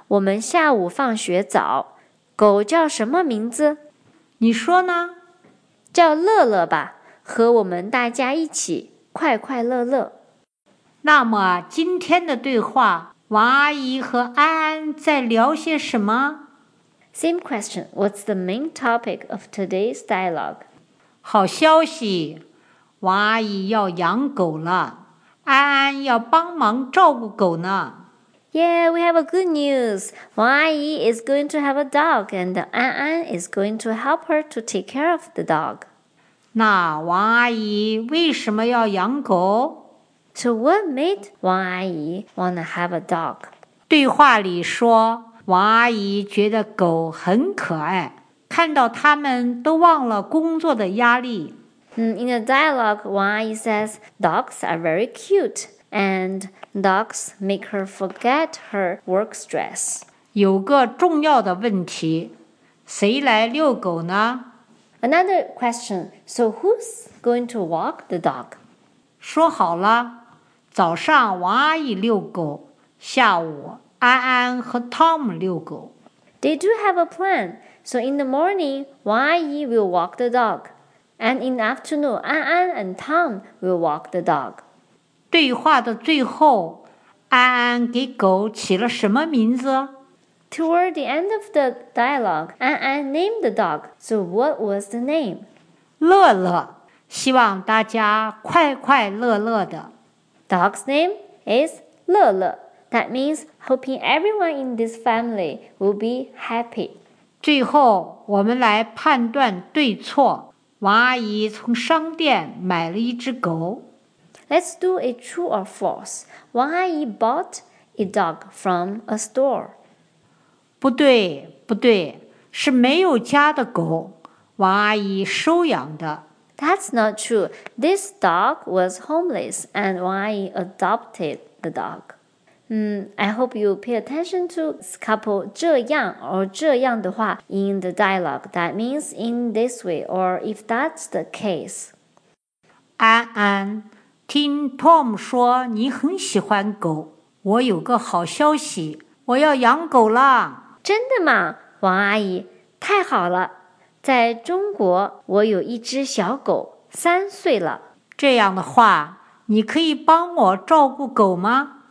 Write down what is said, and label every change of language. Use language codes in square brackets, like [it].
[zh] 我们下午放学早，狗叫什么名字？你说呢？叫乐乐吧，和我们大家一起快快乐乐。那么今天的对话，王阿姨和安安在聊些什么？ [en] Same question, what's the main topic of today's dialogue? [zh] 好消息，王阿姨要养狗了，安安要帮忙照顾狗呢。 [en] Yeah, we have a good news. Wang Ai is going to have a dog, and An An is going to help her to take care of the dog. [zh] 那王阿姨为什么要养狗? [en] So what made Wang Ai want to have a dog? [zh] 对话里说，王阿姨觉得狗很可爱，看到他们都忘了工作的压力。 [en] In the dialogue, Wang Ai says, dogs are very cute. And dogs make her forget her work stress. [zh] 有个重要的问题，谁来遛狗呢？ [en] Another question. So who's going to walk the dog? [zh] 说好了，早上王阿姨遛狗，下午安安和 Tom 遛狗。 [en] They do have a plan. So in the morning, 王阿姨 will walk the dog. And in the afternoon, 安安 and Tom will walk the dog. [zh] 对话的最后，安安给狗起了什么名字？ [en] Toward the end of the dialogue, 安安 named the dog. So what was the name? [zh] 乐乐，希望大家快快乐乐的。 [en] Dog's name is 乐乐。 That means hoping everyone in this family will be happy. [zh] 最后，我们来判断对错。王阿姨从商店买了一只狗。 [en] Let's do a true or false. 王阿姨 bought a dog from a store. [zh] 不对，不对，是没有家的狗，王阿姨收养的。 [en] That's not true. This dog was homeless and 王阿姨 adopted the dog. I hope you pay attention to this couple [zh] 这样 [en] or [zh] 这样的话 [en] in the dialogue. That means in this way or if that's the case. [zh] 安安。听 Tom 说你很喜欢狗，我有个好消息，我要养狗了。真的吗，王阿姨？太好了，在中国我有一只小狗，3岁了。这样的话，你可以帮我照顾狗吗？